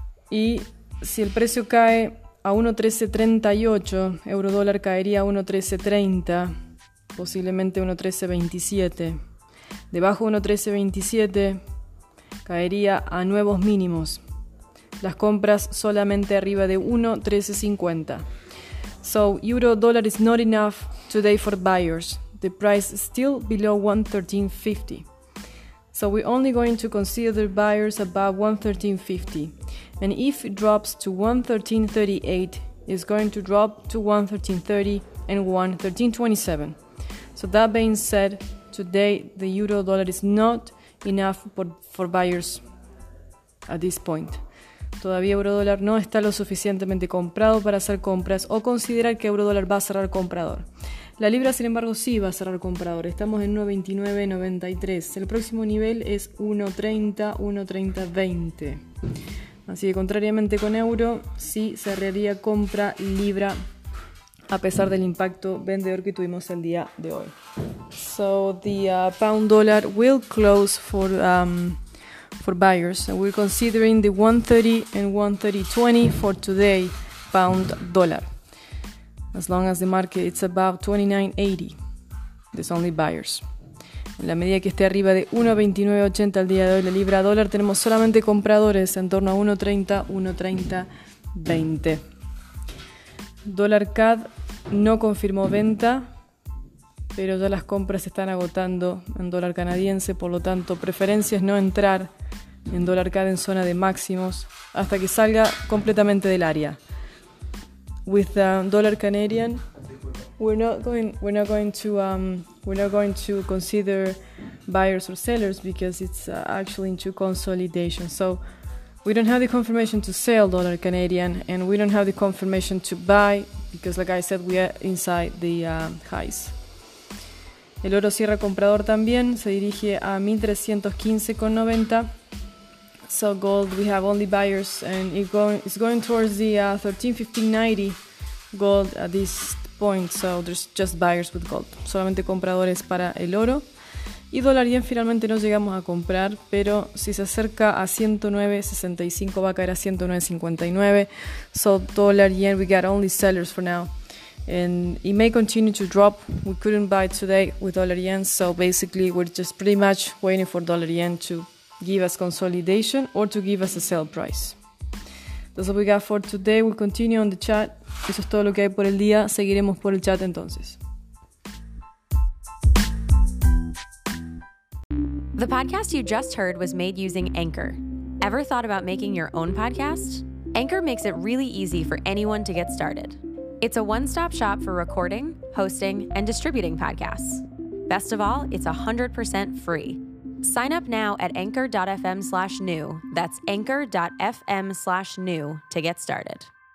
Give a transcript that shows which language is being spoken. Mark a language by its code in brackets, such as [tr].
[es] Y si el precio cae a 1.1338, euro dólar caería a 1.1330. Posiblemente 1.1327. Debajo de 1.1327 caería a nuevos mínimos. Las compras solamente arriba de 1.1350. [en] So, euro dollar is not enough today for buyers. The price is still below 1.1350. So, we're only going to consider buyers above 1.1350. And if it drops to 1.1338, it's going to drop to 1.1330 and 1.1327. So that being said, today the euro dollar is not enough for buyers at this point. [es] Todavía euro dólar no está lo suficientemente comprado para hacer compras o considerar que euro dólar va a cerrar comprador. La libra, sin embargo, sí va a cerrar comprador. Estamos en 1.2993. El próximo nivel es 1.30, 1.3020. Así que contrariamente con euro, sí cerraría compra libra, a pesar del impacto vendedor que tuvimos el día de hoy. [en] So the pound dollar will close for buyers. And we're considering the 1.30 and 1.3020 for today pound dollar. As long as the market is above 29.80, there's only buyers. [es] En la medida que esté arriba de 1.2980 el día de hoy la libra dólar, tenemos solamente compradores en torno a 1.30, 1.3020. Dólar CAD no confirmó venta, pero ya las compras se están agotando en dólar canadiense, por lo tanto, preferencia es no entrar en dólar CAD en zona de máximos hasta que salga completamente del área. [en] With the dollar Canadian, we're not going to consider buyers or sellers because it's actually into consolidation. So we don't have the confirmation to sell dollar Canadian, and we don't have the confirmation to buy because, like I said, we are inside the highs. [es] El oro cierra comprador también, se dirige a 1315.90. [en] So gold, we have only buyers, and it's going towards the 1315.90 gold at this point. So there's just buyers with gold. [es] Solamente compradores para el oro. Y dólar yen finalmente no llegamos a comprar, pero si se acerca a 109.65 va a caer a 109.59. [en] So dólar yen, we got only sellers for now. And it may continue to drop. We couldn't buy today with dólar yen. So basically we're just pretty much waiting for dólar yen to give us consolidation or to give us a sell price. That's all we got for today. We'll continue on the chat. [es] Eso es todo lo que hay por el día. Seguiremos por el chat entonces. [en] The podcast you just heard was made using Anchor. Ever thought about making your own podcast? Anchor makes it really easy for anyone to get started. It's a one-stop shop for recording, hosting, and distributing podcasts. Best of all, it's 100% free. Sign up now at anchor.fm/new. That's anchor.fm/new to get started.